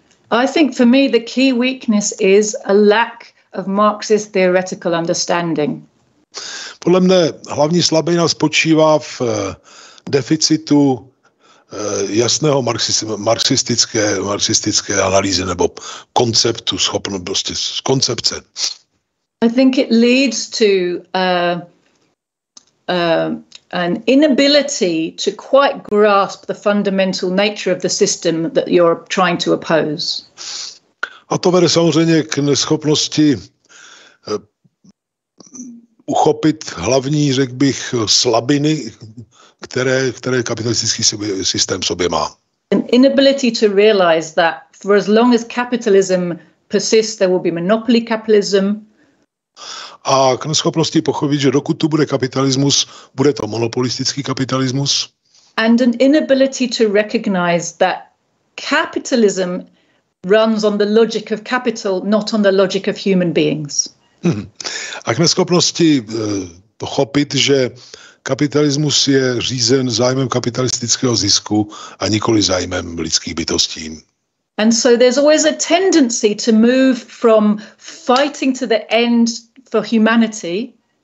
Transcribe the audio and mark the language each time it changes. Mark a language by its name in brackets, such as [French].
[English] I think for me the key weakness is a lack of Marxist theoretical understanding. [Czech] Podle mne hlavní slabina spočívá v deficitu jasného marxistické analýzy nebo konceptu, schopnosti z koncepce. [English] I think it leads to an inability to quite grasp the fundamental nature of the system that you're trying to oppose. [Czech] A to vede samozřejmě k neschopnosti uchopit hlavní, řekl bych, slabiny, které kapitalistický systém sobě má. [English] An inability to realize that for as long as capitalism persists, there will be monopoly capitalism. [Czech] A k neschopnosti pochopit, že dokud tu bude kapitalismus, bude to monopolistický kapitalismus. [English] And an inability to recognize that capitalism runs on the logic of capital, not on the logic of human beings. [Czech] A k neschopnosti pochopit, že kapitalismus je řízen zájmem kapitalistického zisku a nikoli zájmem lidských bytostí. [English] And so there's always a tendency to move from fighting to the end for humanity.